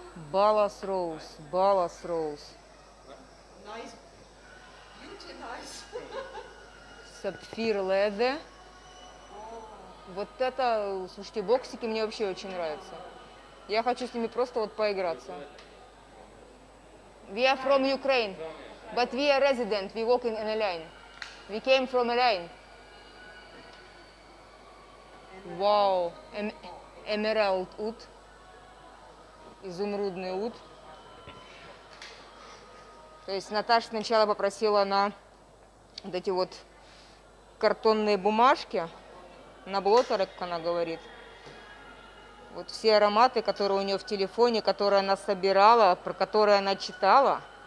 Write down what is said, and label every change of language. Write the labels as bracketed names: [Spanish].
[Russian] Балас Роуз, Балас Роуз. Сапфир Леде. Вот это, слушайте, боксики мне вообще очень нравятся. Я хочу с ними просто вот поиграться. [English] We are from Ukraine, but we are resident, we work in Eline. We came from Eline. [Russian] Вау, Emerald Wood. Изумрудный ут. То есть Наташа сначала попросила на вот эти вот картонные бумажки, на блотеры, как она говорит. Вот все ароматы, которые у нее в телефоне, которые она собирала, про которые она читала.